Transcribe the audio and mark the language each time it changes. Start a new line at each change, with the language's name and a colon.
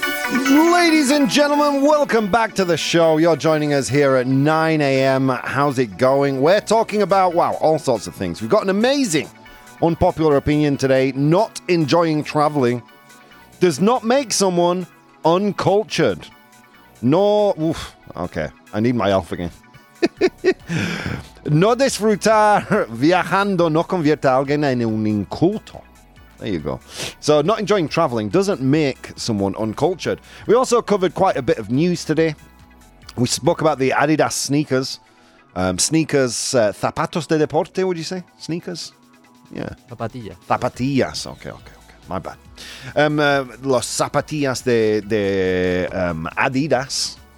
English: Ladies and gentlemen, welcome back to the show. You're joining us here at 9 a.m. How's it going? We're talking about, wow, all sorts of things. We've got an amazing unpopular opinion today. Not enjoying traveling does not make someone uncultured. I need my elf again.
Spanish: No disfrutar viajando no convierte a alguien en un inculto.
English: There you go. So not enjoying traveling doesn't make someone uncultured. We also covered quite a bit of news today. We spoke about the Adidas sneakers.
Spanish: Zapatos de deporte,
English: would you say? Sneakers? Yeah.
Spanish: Zapatillas.
English: Okay. My bad.
Spanish: Los zapatillas de Adidas.